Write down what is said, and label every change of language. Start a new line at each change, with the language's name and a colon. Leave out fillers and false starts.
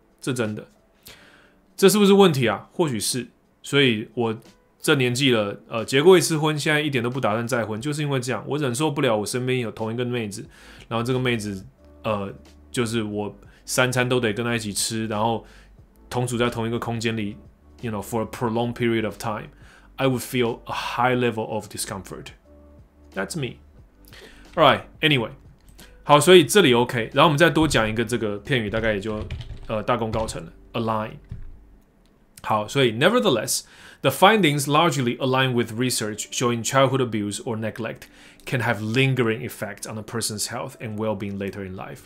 Chinese: 这真的，这是不是问题啊？或许是。所以我这年纪了，结过一次婚，现在一点都不打算再婚，就是因为这样，我忍受不了我身边有同一个妹子，然后这个妹子，就是我三餐都得跟她一起吃，然后同处在同一个空间里。
English: You know, for a prolonged period of time, I would feel a high level of discomfort. That's me. All right. Anyway,
Chinese: 好，所以这里
English: OK。
Chinese: 然后我们再多讲一个这个片语，大概也就大功告成了。
English: Align.
Chinese: 好，所以
English: nevertheless, the findings largely align with research showing childhood abuse or neglect can have lingering effects on a person's health and well-being later in life.